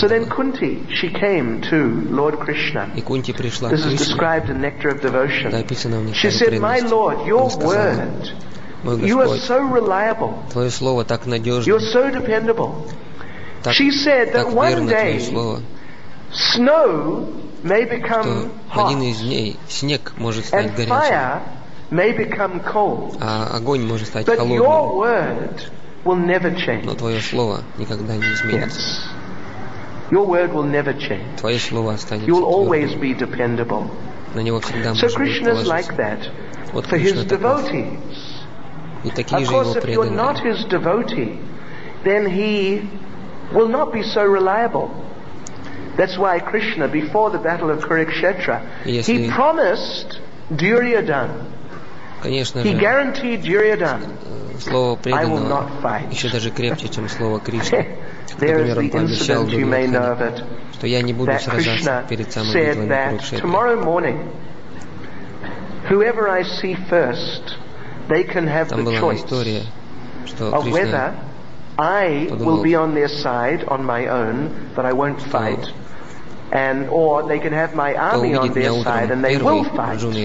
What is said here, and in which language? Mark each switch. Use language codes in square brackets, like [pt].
[en] So then Kunti, she came to Lord Krishna. This is described in Nectar of Devotion. She said, "My Lord, your word, you are so reliable, you are so dependable." She said that one day, snow may become hot, [ru] один из дней снег может стать горячим, а огонь может стать холодным. Но твое слово никогда не изменится. Твое слово останется твердым. На него всегда можно положиться. Вот Кришна такой. И такие же его преданные. [en] That's why Krishna, before the battle of Kurukshetra, he promised Duryodhana. [ru] Конечно же. [en] He guaranteed Duryodhana. I will not fight. [ru] Еще даже крепче, чем слово Кришна. [en] There is the incident you may know of it. [ru] Что я не буду сражаться перед самой битвой на Курукшетре. [en] That Krishna said that tomorrow morning, whoever I see first, they can have the choice of whether I will be on their side on my own, but I won't fight. And or they can have my army on their side and they will fight.